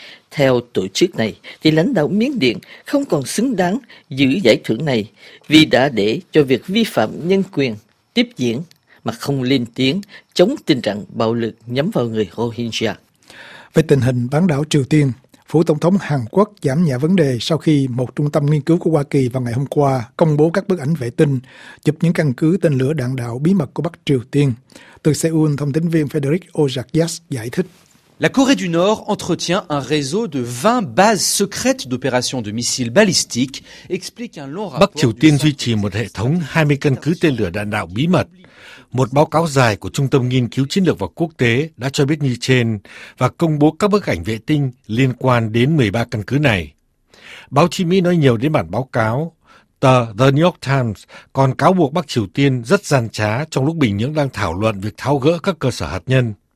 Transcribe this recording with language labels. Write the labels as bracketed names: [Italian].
[Vietnamese] Theo tổ chức này thì lãnh đạo Miến Điện không còn xứng đáng giữ giải thưởng này vì đã để cho việc vi phạm nhân quyền tiếp diễn mà không lên tiếng chống tình trạng bạo lực nhắm vào người Rohingya. Về tình hình bán đảo Triều Tiên, Phủ Tổng thống Hàn Quốc giảm nhẹ vấn đề sau khi một trung tâm nghiên cứu của Hoa Kỳ vào ngày hôm qua công bố các bức ảnh vệ tinh chụp những căn cứ tên lửa đạn đạo bí mật của Bắc Triều Tiên. Từ Seoul, thông tín viên Frederick Ojakias giải thích. [French] La Corée du Nord entretient un réseau de 20 bases secrètes d'opérations de missiles balistiques, explique un long rapport. [Vietnamese] Bắc Triều Tiên duy trì một hệ thống 20 căn cứ tên lửa đạn đạo bí mật. Một báo cáo dài của Trung tâm Nghiên cứu Chiến lược và Quốc tế đã cho biết như trên và công bố các bức ảnh vệ tinh liên quan đến 13 căn cứ này. Báo chí Mỹ nói nhiều đến bản báo cáo. Tờ The New York Times còn cáo buộc Bắc Triều Tiên rất gian trá trong lúc Bình Nhưỡng đang thảo luận việc tháo gỡ các cơ sở hạt nhân.